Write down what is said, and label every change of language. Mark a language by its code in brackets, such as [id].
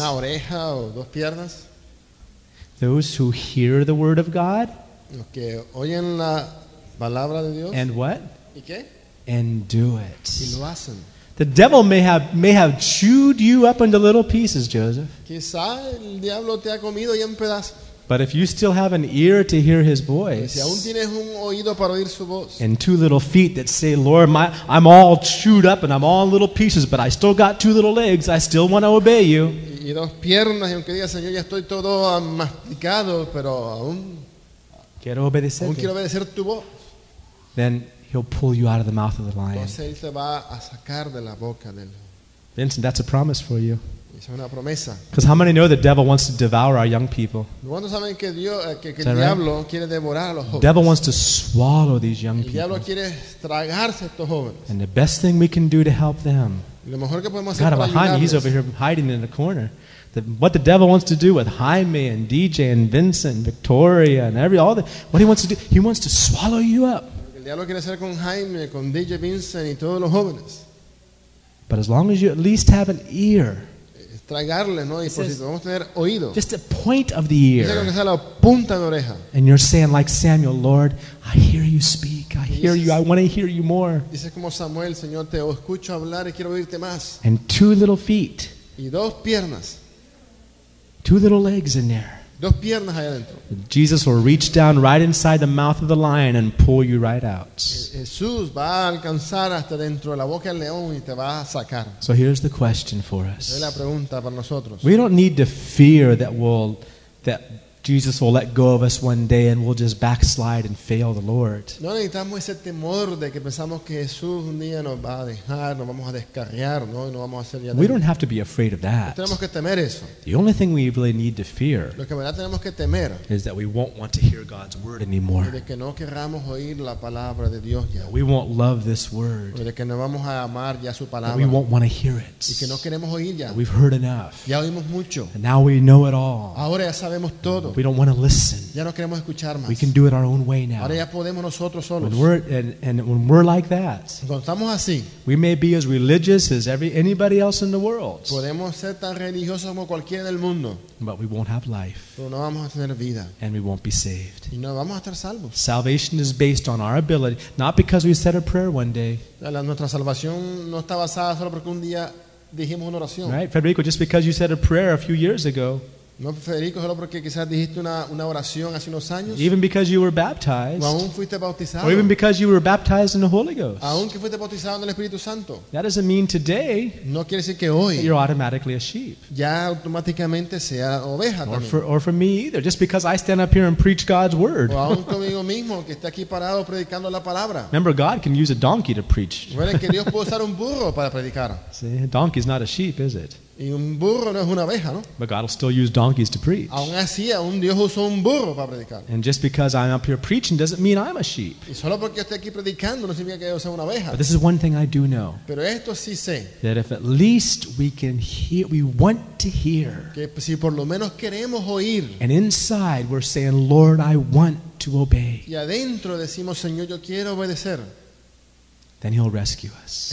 [es] Una oreja o dos piernas. [en] Those who hear the word of God. [es] Los que oyen la palabra de Dios. [en] And what? [es] ¿Y qué? [en] And do it. [es] Y lo hacen. [en] The devil may have chewed you up into little pieces, Joseph. [es] Quizá el diablo te ha comido ya en pedazos. [en] But if you still have an ear to hear his voice, [es] si aún tienes un oído para oír su voz, [en] and two little feet that say, Lord, I'm all chewed up and I'm all in little pieces, but I still got two little legs, I still want to obey you. [es] Y dos piernas, y aunque diga, Señor, ya estoy todo masticado, pero aún quiero obedecerte. Aún quiero obedecer tu voz. [en] Then he'll pull you out of the mouth of the lion. [es] Entonces él te va a sacar de la boca del lion. [en] Vincent, that's a promise for you. [es] Es una promesa. [en] Because how many know the devil wants to devour our young people? [es] ¿Cuántos saben que Dios, que el diablo quiere devorar a los jóvenes? [en] The devil wants to swallow these young people. [es] El diablo quiere tragarse a estos jóvenes. [en] And the best thing we can do to help them. [es] Lo mejor que podemos hacer para ayudarles. [en] He's over here hiding in the corner. What the devil wants to do with Jaime and DJ and Vincent and Victoria and what he wants to do, he wants to swallow you up. [es] El diablo quiere hacer con Jaime, con DJ, Vincent y todos los jóvenes. [en] But as long as you at least have an ear. [es] Tragarle, ¿no? Y por si podemos tener oído. [en] Just a point of the ear. [es] Que sea la punta de oreja. [en] And you're saying like Samuel, Lord, I hear you speak. I hear you. I want to hear you more. [es] Dice como Samuel, Señor, te escucho hablar y quiero oírte más. [en] And two little feet. [es] Y dos piernas. [en] Two little legs in there. [es] Dos piernas allá adentro. [en] Jesus will reach down right inside the mouth of the lion and pull you right out. [es] Jesús va a alcanzar hasta dentro de la boca del león y te va a sacar. [en] So here's the question for us. [es] Es la pregunta para nosotros. [en] We don't need to fear that Jesus will let go of us one day and we'll just backslide and fail the Lord. [es] No necesitamos ese temor de que pensamos que Jesús un día nos va a dejar, nos vamos a descarriar, ¿no? Y no vamos a hacer ya. [en] We don't have to be afraid of that. [es] No tenemos que temer eso. [en] The only thing we really need to fear, [es] lo que verdad tenemos que temer, [en] is that we won't want to hear God's word anymore. [es] De que no querramos oír la palabra de Dios ya. [en] We won't love this word. [es] De que no vamos a amar ya su palabra. [en] We won't want to hear it. [es] Y que no queremos oír ya. [en] We've heard enough. [es] Ya oímos mucho. [en] And now we know it all. [es] Ahora ya sabemos todo. [en] We don't want to listen. [es] Ya no queremos escuchar más. [en] We can do it our own way now. [es] Ahora ya podemos nosotros solos. [en] When we're like that, [es] cuando estamos así, [en] we may be as religious as anybody else in the world. [es] Podemos ser tan religiosos como cualquiera del mundo. [en] But we won't have life. [es] Pero no vamos a tener vida. [en] And we won't be saved. [es] Y no vamos a estar salvos. [en] Salvation is based on our ability, not because we said a prayer one day. [es] Nuestra salvación no está basada solo porque un día dijimos una oración. [en] Right, Federico, just because you said a prayer a few years ago. [es] No, Federico, solo porque quizás dijiste una oración hace unos años. [en] Even because you were baptized. [es] O aún fuiste bautizado. [en] Or even because you were baptized in the Holy Ghost. [es] Aún que fuiste bautizado en el Espíritu Santo. [en] That doesn't mean today. [es] No quiere decir que hoy. [en] You're automatically a sheep. [es] Ya automáticamente sea oveja también. [en] Or for me either, just because I stand up here and preach God's word. [es] O aún conmigo mismo que esté aquí parado predicando la palabra. [en] Remember, God can use a donkey to preach. [es] Recuerden que Dios puede usar un burro para predicar. [en] See, a donkey is not a sheep, is it? [es] Y un burro no es una abeja, ¿no? [en] But God will still use donkeys to preach. [es] Aún así, aún Dios usó un burro para predicar. [en] And just because I'm up here preaching doesn't mean I'm a sheep. [es] Y solo porque estoy aquí predicando no significa que yo sea una abeja. [en] But this is one thing I do know. [es] Pero esto sí sé. [en] That if at least we can hear, we want to hear. [es] Que si por lo menos queremos oír. [en] And inside we're saying, Lord, I want to obey. [es] Y adentro decimos, Señor, yo quiero obedecer. [en] Then he'll rescue us.